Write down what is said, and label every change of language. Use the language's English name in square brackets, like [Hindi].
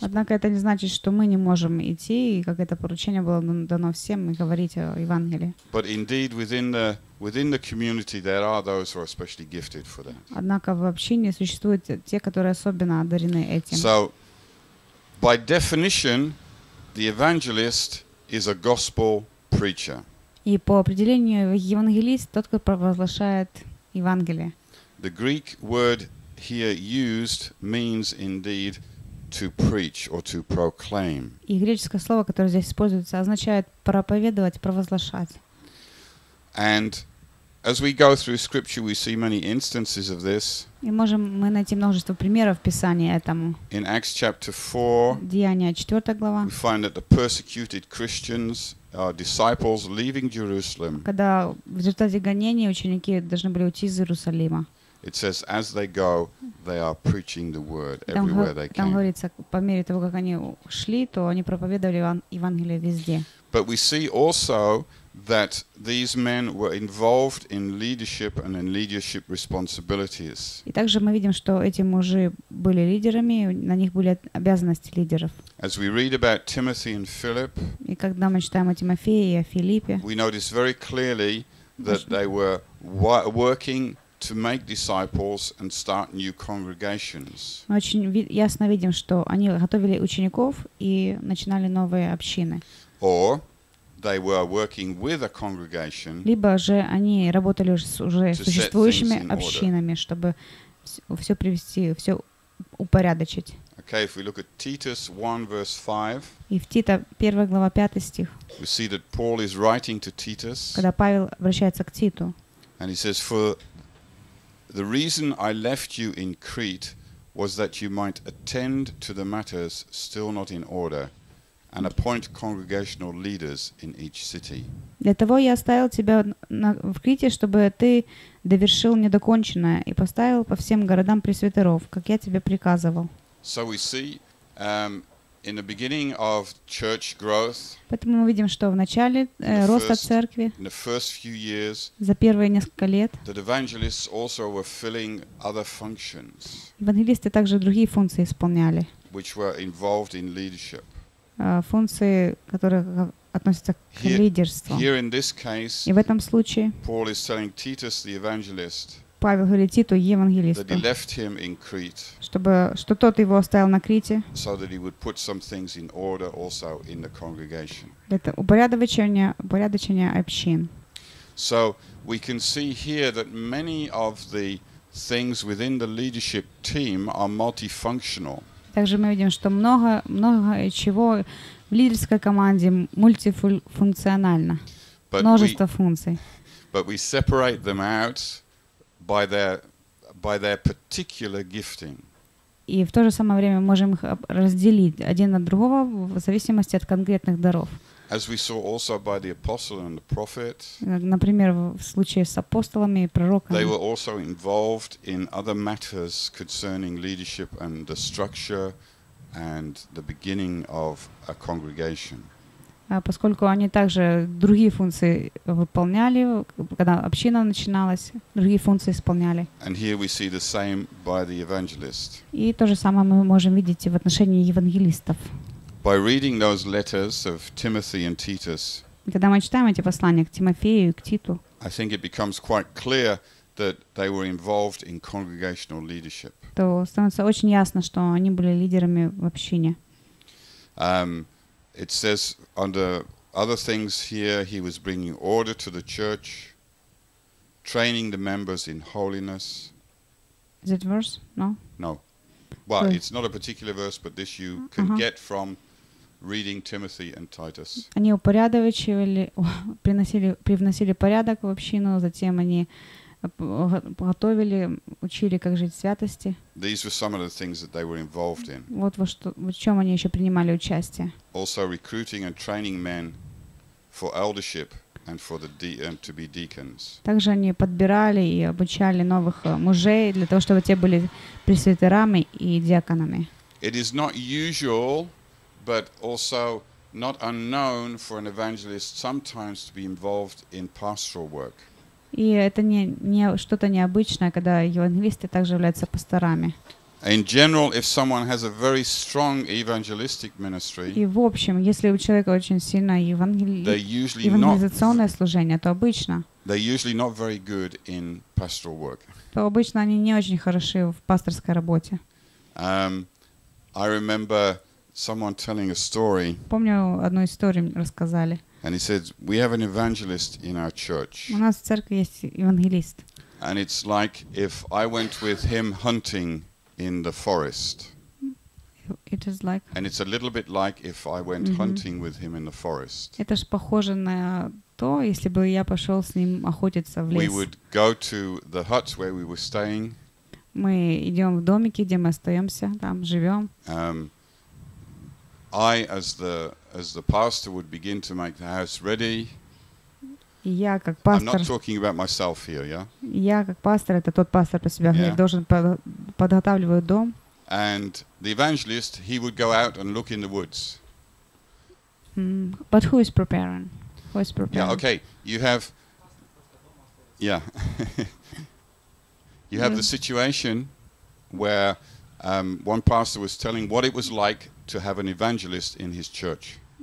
[Russian] Однако это не значит, что мы не можем идти, и как это поручение было дано всем, и говорить о Евангелии. [English] But indeed, within the community, there are those who are especially gifted for that. [Russian] Однако в общине существуют те, которые особенно одарены этим. [English] So, by definition, the evangelist is a gospel preacher. [Russian] И по определению евангелист тот, кто провозглашает Евангелие. [English] The Greek word here used means indeed to preach or to proclaim. [Russian] И греческое слово, которое здесь используется, означает проповедовать, провозглашать. [English] And as we go through scripture, we see many instances of this. [Russian] И можем мы найти множество примеров Писания этому. [English] In Acts chapter 4, [Russian] Деяния 4 глава, [English] we find that the persecuted Christians are disciples leaving Jerusalem. [Russian] Когда в результате гонений ученики должны были уйти из Иерусалима. [English] It says, as they go, they are preaching the word everywhere they came. [Russian] Там говорится, по мере того, как они шли, то они проповедовали Евангелие везде. [English] But we see also that these men were involved in leadership and in leadership responsibilities. [Russian] И также мы видим, что эти мужи были лидерами, на них были обязанности лидеров. [English] As we read about Timothy and Philip, [Russian] и когда мы читаем о Тимофее и о Филиппе, [English] we notice very clearly that they were working to make disciples and start new congregations. [Russian] Мы очень ясно видим, что они готовили учеников и начинали новые общины. [English] Or they were working with a congregation. [Russian] Либо же они работали с уже существующими общинами, чтобы все привести, все упорядочить. [English] Okay, if we look at Titus 1 verse 5. [Russian] И в Тита 1 глава 5 стих. [English] We see that Paul is writing to Titus. [Russian] Когда Павел обращается к Титу. [English] And he says, for the reason I left you in Crete was that you might attend to the matters still not in order and appoint congregational leaders in each city. [Russian] Для того я оставил тебя в Крите, чтобы ты довершил недоконченное и поставил по всем городам пресвитеров, как я тебе приказывал. [English] So we see in the beginning of church growth. [Russian] Поэтому мы видим, что в начале роста церкви. [English] In the first few years. [Russian] За первые несколько лет. [English] The evangelists also were filling other functions. [Russian] Евангелисты также другие функции исполняли. [English] Which were involved in leadership. [Russian] Функции, которые относятся к лидерству. [English] Here in this case. [Russian] И в этом случае. [English] Paul is telling Titus the evangelist. [Russian] Павел говорит Титу, евангелисту, [English] Crete, [Russian] чтобы, что тот его оставил на Крите, упорядочение общин. [English] So we can see here that many of the things within the leadership team are multifunctional. [Russian] Также мы видим, что много чего в лидерской команде мультифункционально, множество функций. [English] But we separate them out by their particular gifting. [Russian] И в то же самое время можем их разделить один от другого в зависимости от конкретных даров. [English] As we saw also by the apostle and the prophet. [Russian] Например, в случае с апостолами и пророками. [English] They were also involved in other matters concerning leadership and the structure and the beginning of a congregation. [Russian] Поскольку они также другие функции выполняли, когда община начиналась, другие функции исполняли. [English] And here we see the same by the evangelist. [Russian] И то же самое мы можем видеть и в отношении евангелистов. [English] By reading those letters of Timothy and Titus, [Russian] когда мы читаем эти послания к Тимофею и к Титу, [English] I think it becomes quite clear that they were involved in congregational leadership. [Russian] То становится очень ясно, что они были лидерами в общине. [English] It says under other things here, he was bringing order to the church, training the members in holiness. Is it verse? No. No. Well, good. It's not a particular verse, but this you can get from reading Timothy and Titus. [Russian] Они упорядочивали, привносили порядок в общину, затем они готовили, учили, как жить в святости. [English] These were some of the things that they were involved in. [Russian] Вот в чем они еще принимали участие. [English] Also recruiting and training men for eldership and for the to be deacons. [Russian] Также они подбирали и обучали новых мужей для того, чтобы те были пресвитерами и диаконами. [English] It is not usual, but also not unknown for an evangelist sometimes to be involved in pastoral work. [Russian] И это не что-то необычное, когда евангелисты также являются пасторами. [English] In general, if someone has a very strong evangelistic ministry, [Russian] и в общем, если у человека очень сильное евангелизационное служение, то обычно [English] they're usually not very good in pastoral work. [Russian] То обычно они не очень хороши в пасторской работе. [English] I remember someone telling a story. [Russian] Помню, одну историю рассказали. [English] And he said, "We have an evangelist in our church." [Russian] У нас в церкви есть евангелист. [English] And it's like if I went with him hunting in the forest. It is like. And it's a little bit like if I went hunting with him in the forest. [Russian] Это ж похоже на что, если бы я пошел с ним охотиться в лес? [English] We would go to the huts where we were staying. [Russian] Мы идем в домики, где мы остаемся, там живем. [English] I, as the pastor, would begin to make the house ready. [Russian] Я как пастор. [English] I'm not talking about myself here, yeah. [Russian] Я как пастор, это тот пастор про себя, я должен подготавливаю дом. [English] And the evangelist, he would go out and look in the woods. But who is preparing? Who is preparing? Yeah, okay. You have, yeah. You have the situation where one pastor was telling what it was like to have an evangelist in his church.